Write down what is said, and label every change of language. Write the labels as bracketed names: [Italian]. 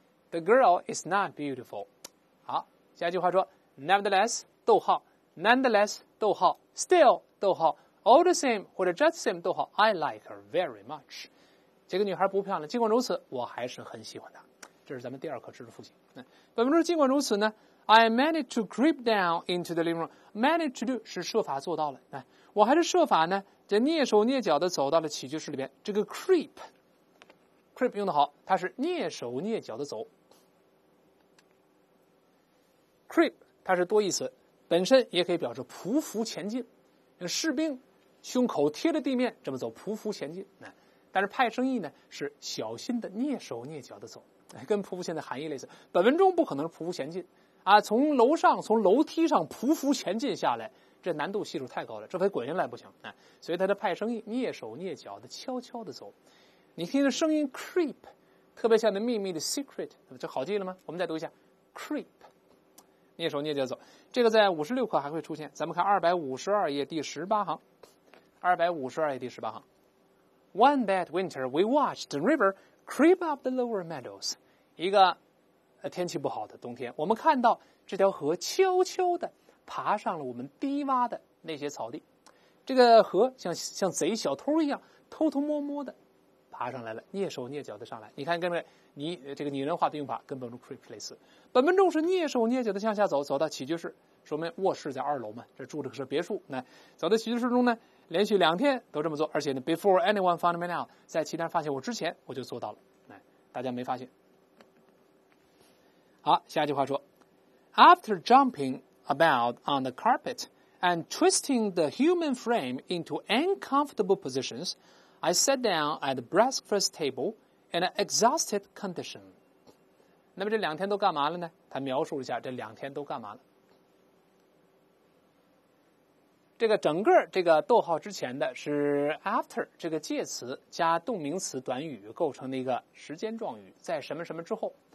[English] The girl is not beautiful. [Chinese] 好下一句话说 [English] Nevertheless, 逗号 Nonetheless, 逗号 Still, 逗号 All the same, 或者 just the same, 逗号 I like her very much. [Chinese] 这个女孩不漂亮尽管如此我还是很喜欢她。这是咱们第二课知识复习。本文中尽管如此呢 [English] ，I managed to creep down into the living room. [Chinese] Managed to do 是设法做到了。我还是设法呢，这蹑手蹑脚的走到了起居室里边。这个 creep 用的好，它是蹑手蹑脚的走。 creep 它是多义词，本身也可以表示匍匐前进，士兵胸口贴着地面这么走，匍匐前进。但是派生意呢是小心的蹑手蹑脚的走，跟匍匐前进的含义类似。本文中不可能是匍匐前进啊，从楼上从楼梯上匍匐前进下来，这难度系数太高了，这非滚下来不行。所以他的派生意蹑手蹑脚的悄悄的走。你听着声音 creep 特别像那秘密的 secret， 这好记了吗？我们再读一下 creep， 蹑手蹑脚走。这个在56课还会出现，咱们看252页第18行，252页第18行。 [English] One bad winter, we watched the river creep up the lower meadows. [Chinese] 一个天气不好的冬天，我们看到这条河悄悄地爬上了我们低洼的那些草地。这个河像贼小偷一样偷偷摸摸地爬上来了，蹑手蹑脚地上来。你看跟这个拟人化的用法跟本文中 creep 类似。本文中是蹑手蹑脚地向下走，走到起居室，说明卧室在二楼嘛，这住着是别墅。走到起居室中呢，连续两天都这么做，而且呢 [English] before anyone found me out， [Chinese] 在其他人发现我之前我就做到了，大家没发现。好，下一句话说 [English] After jumping about on the carpet and twisting the human frame into uncomfortable positions I sat down at the breakfast table in an exhausted condition。 [Chinese] 那么这两天都干嘛了呢？他描述一下这两天都干嘛了。这个整个这个逗号之前的是 after 这个介词加动名词短语构成的一个时间状语，在什么什么之后。